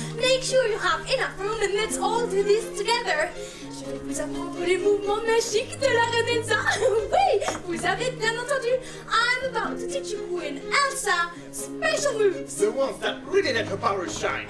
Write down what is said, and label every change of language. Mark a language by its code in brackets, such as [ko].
[en] Make sure you have enough room and let's all do this together. [fr] Vous apprendre les mouvements magiques de la reine Elsa. Oui, vous avez bien entendu. [en] I'm about to teach you Queen Elsa special moves. The ones that really let her power shine.